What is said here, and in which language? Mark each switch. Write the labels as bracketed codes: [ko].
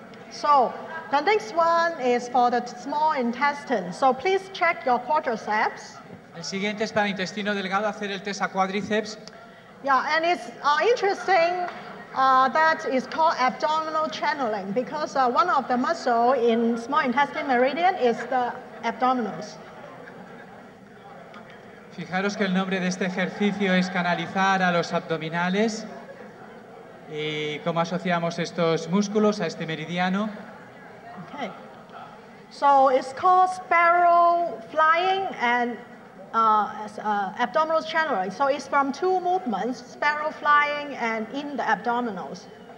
[en] So, the next one is for the small intestine. So please check your quadriceps. [es] El siguiente es para el intestino delgado, hacer el test a cuádriceps. [en] Yeah, and it's interesting that it's called abdominal channeling because one of the muscles in small intestine meridian is the abdominals. [es] Fijaros que el nombre de este ejercicio es canalizar a los abdominales y cómo asociamos estos músculos a este meridiano. [en] Okay. So it's called sparrow flying and abdominal channeling. So it's from two movements, sparrow flying and in the abdominals.